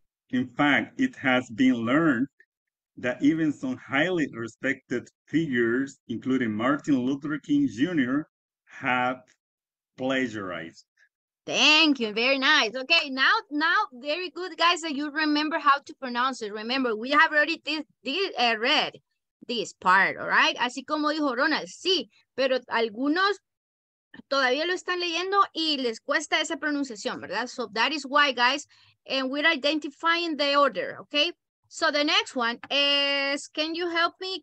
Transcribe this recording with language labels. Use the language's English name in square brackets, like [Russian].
[English] In fact, it has been learned that even some highly respected figures, including Martin Luther King Jr., have plagiarized. Thank you. Very nice. Okay. Now, very good, guys, that you remember how to pronounce it. Remember, we have already read this part, all right? [Spanish] Así como dijo Ronald, sí, pero algunos todavía lo están leyendo y les cuesta esa pronunciación, ¿verdad? [English] So that is why, guys, and we're identifying the order, okay? So the next one is, can you help me?